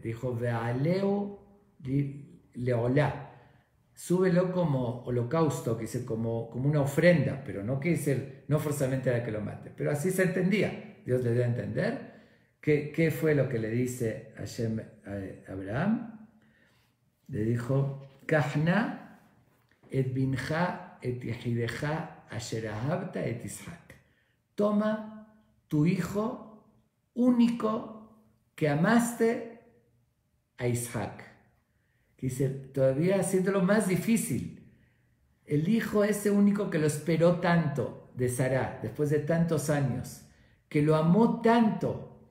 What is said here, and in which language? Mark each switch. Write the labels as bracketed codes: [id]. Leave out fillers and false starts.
[es] Dijo, [he] Ve'aleu le'olá, [es] súbelo como holocausto, que dice, como una ofrenda, pero no quiere decir, no forzosamente era que lo mate. Pero así se entendía, Dios le dio a entender. ¿Qué fue lo que le dice Hashem a Abraham? [he] Le dijo, Kahna et binja et yehideja asher ahavta et ishak. [es] Toma tu hijo único que amaste a Ishak. Dice, todavía haciéndolo más difícil. El hijo ese único que lo esperó tanto de Sarah, después de tantos años, que lo amó tanto.